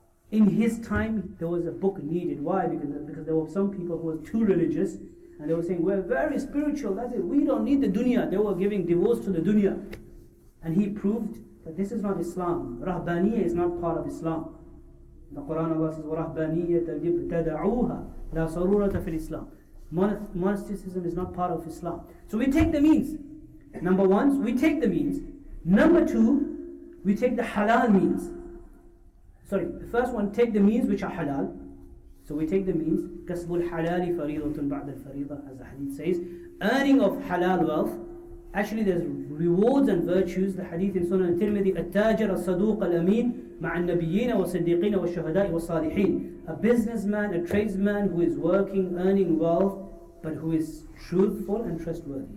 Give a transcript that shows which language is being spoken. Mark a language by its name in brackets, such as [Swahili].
[English] In his time, there was a book needed. Why? Because there were some people who were too religious, and they were saying, we're very spiritual, that's it, we don't need the dunya. They were giving divorce to the dunya. And he proved that this is not Islam. Rahbaniyya is not part of Islam. The Quran Allah says, [Arabic] وَرَهْبَانِيَّةَ لِبْتَدَعُوهَا لَا صَرُورَةَ فِي الْإِسْلَامِ. [English] Monasticism is not part of Islam. So we take the means. Number one, we take the means. Number two, we take the halal means. Sorry, the first one, take the means which are halal. So we take the means. [Arabic] كَسْبُ الْحَلَالِ فَرِيضَةٌ بَعْدَ الْفَرِيضَةِ, [English] as the hadith says. Earning of halal wealth. Actually, there's rewards and virtues. The hadith in Sunan al-Tirmidhi, [Arabic] التاجر الصدوق الأمين مع النبيين والصديقين والشهداء والصالحين. [English] A businessman, a tradesman who is working, earning wealth, but who is truthful and trustworthy.